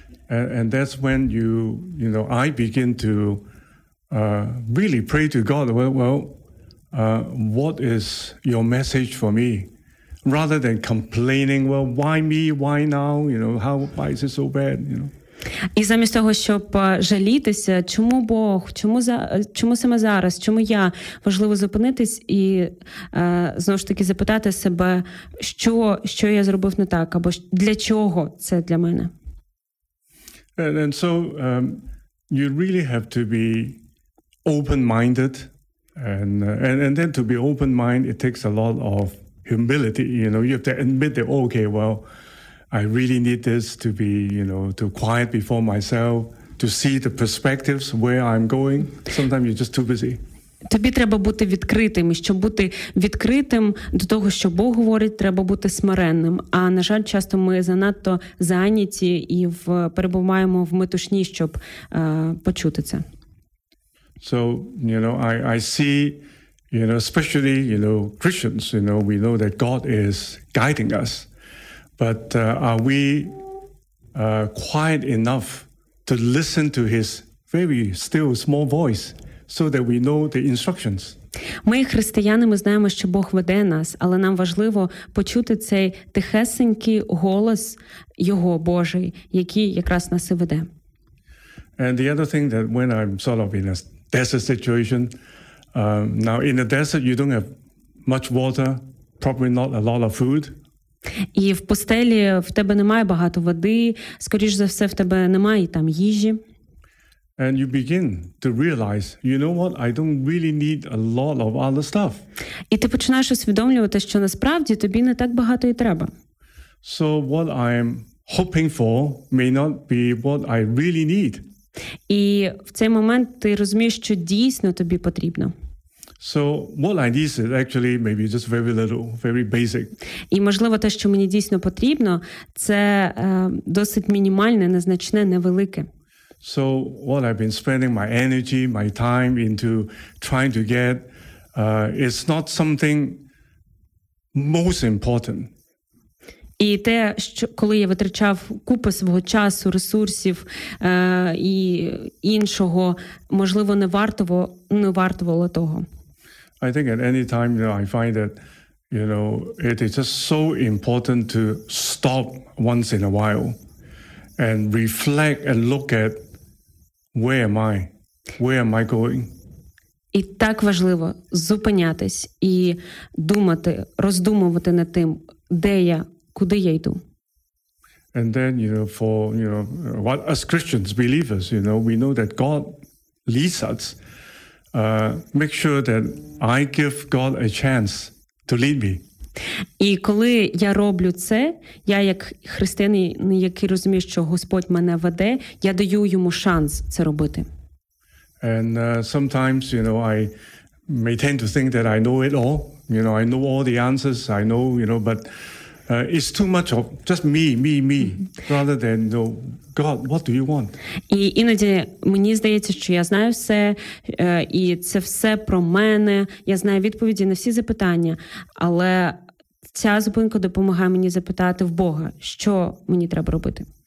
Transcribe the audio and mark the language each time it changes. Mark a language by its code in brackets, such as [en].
[en] And that's when you know, I begin to really pray to God, well, what is your message for me? Rather than complaining, well, why me, why now, you know, why is it so bad, you know? [uk] І замість того, щоб жалітися, чому Бог, чому саме зараз, чому я, важливо зупинитись і знову ж таки запитати себе, що я зробив не так, або для чого це для мене. [en] And so you really have to be open-minded, and then to be open-minded, it takes a lot of humility, you know, you have to admit that, okay, well, I really need this to be, you know, to quiet before myself, to see the perspectives where I'm going. Sometimes you're just too busy. [uk] Тобі треба бути відкритим. Щоб бути відкритим до того, що Бог говорить, треба бути смиренним. А, на жаль, часто ми занадто зайняті і перебуваємо в метушні, щоб почути це. [en] So, you know, I see, you know, especially, you know, Christians, you know, we know that God is guiding us. But are we quiet enough to listen to his very still small voice so that we know the instructions? [uk] Ми, християни, ми знаємо, що Бог веде нас, але нам важливо почути цей тихесенький голос Його Божий, який якраз нас і веде. [en] And the other thing that when I'm sort of in a desert situation, now in a desert you don't have much water, probably not a lot of food. [uk] І в пустелі в тебе немає багато води, скоріш за все, в тебе немає там їжі. [en] And you begin to realize, you know what, I don't really need a lot of other stuff. [uk] І ти починаєш усвідомлювати, що насправді тобі не так багато і треба. [en] So what I'm hoping for may not be what I really need. [uk] І в цей момент ти розумієш, що дійсно тобі потрібно. [en] So what I need is actually maybe just very little, very basic. [uk] І можливо те, що мені дійсно потрібно, це досить мінімальне, незначне, невелике. [en] So what I've been spending my energy, my time into trying to get is not something most important. [uk] І те, що коли я витрачав купу свого часу, ресурсів і іншого, можливо, не вартувало того. [en] I think at any time, you know, I find that, you know, it is just so important to stop once in a while and reflect and look at where am I? Where am I going? [uk] І так важливо зупинятись і думати, роздумувати над тим, де я, куди я йду. [en] And then, you know, for, you know, what as Christians, believers, you know, we know that God leads us. Make sure that I give God a chance to lead me. [uk] І коли я роблю це, я як християнин, який розуміє, що Господь мене веде, я даю йому шанс це робити. [en] And sometimes, you know, I may tend to think that I know it all, you know, I know all the answers, I know, you know, but it's too much of just me, rather than, you know, God, what do you want? [uk] І іноді мені здається, що я знаю все, і це все про мене, я знаю відповіді на всі запитання, але ця зупинка допомагає мені запитати в Бога, що мені треба робити.